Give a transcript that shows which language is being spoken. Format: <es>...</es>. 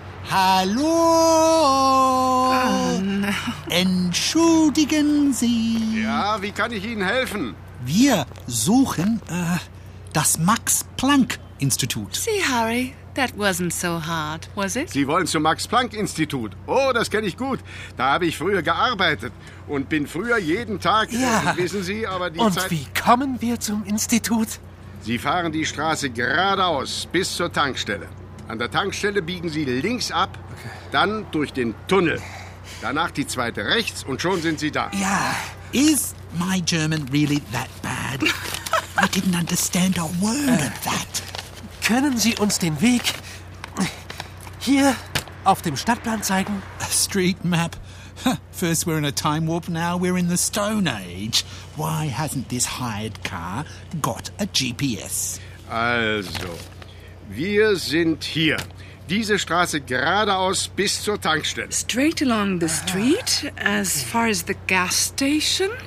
<de>Hallo! Entschuldigen Sie. Ja, wie kann ich Ihnen helfen? Wir suchen das Max-Planck-Institut.</de> <en>See, Harry, that wasn't so hard, was it?</en> <de>Sie wollen zum Max-Planck-Institut. Oh, das kenne ich gut. Da habe ich früher gearbeitet und bin früher jeden Tag... Ja. Wissen Sie, aber die und Zeit... Und wie kommen wir zum Institut? Sie fahren die Straße geradeaus bis zur Tankstelle. An der Tankstelle biegen Sie links ab, dann durch den Tunnel. Danach die zweite rechts und schon sind Sie da.</de> <en>Ja, is my German really that bad? I didn't understand a word of that.</en> <de>Können Sie uns den Weg hier auf dem Stadtplan zeigen?</de> <en>A street map. First we're in a time warp, now we're in the Stone Age. Why hasn't this hired car got a GPS?</en> <de>Also, wir sind hier. Diese Straße geradeaus bis zur Tankstelle.</de> <en>Straight along the street, as far as the gas station.</en>